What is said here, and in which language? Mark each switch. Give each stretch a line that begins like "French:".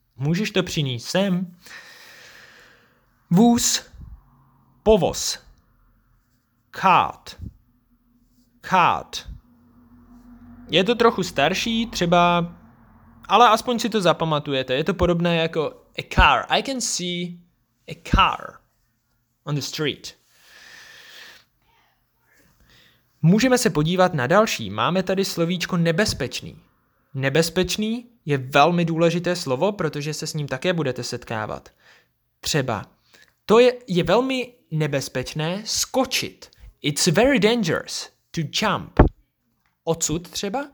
Czech: Můžeš to přinést sem? Vůz. Povoz. Cart. Cart. Je to trochu starší, třeba, ale aspoň si to zapamatujete. Je to podobné jako a car.
English: I can see a car on the street.
Czech: Můžeme se podívat na další. Máme tady slovíčko nebezpečný. Nebezpečný je velmi důležité slovo, protože se s ním také budete setkávat. Třeba, to je velmi nebezpečné skočit.
English: It's very dangerous to jump.
Czech: Odsud třeba?